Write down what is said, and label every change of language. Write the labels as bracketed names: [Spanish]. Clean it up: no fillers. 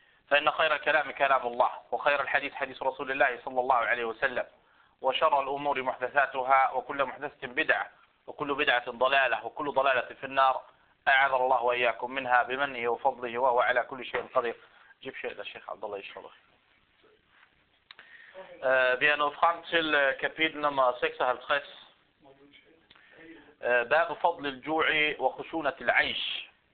[Arabic] فإن خير الكلام كلام الله وخير الحديث حديث رسول الله صلى الله عليه وسلم وشر الأمور محدثاتها وكل محدثة بدعة وكل بدعة ضلالة وكل ضلالة في النار أعاذ الله وإياكم منها بمنه وفضله وهو على كل شيء قدير. جيب شيء للشيخ عبد الله يشرح. [Danish] Vi er nået frem til kapitel nummer 56. [Arabic] باب فضل الجوع وخشونة العيش.